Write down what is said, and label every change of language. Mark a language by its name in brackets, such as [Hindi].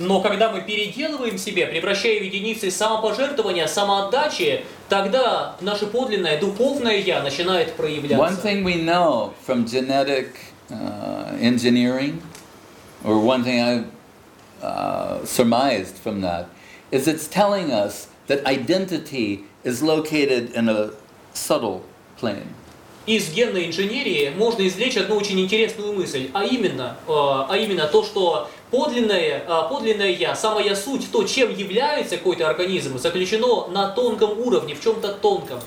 [Russian] Но когда мы переделываем себе, превращая в единицы самопожертвования, самоотдачи, тогда наше подлинное духовное я начинает проявляться. [English] One thing we know from genetic engineering, or one thing I surmised from that, is it's telling us that identity is located in a subtle plane. [Russian] Из генной инженерии можно извлечь одну очень интересную мысль, а именно то, что подлинное я, самая суть, то, чем является какой-то организм, заключено на тонком уровне, в чем-то тонком.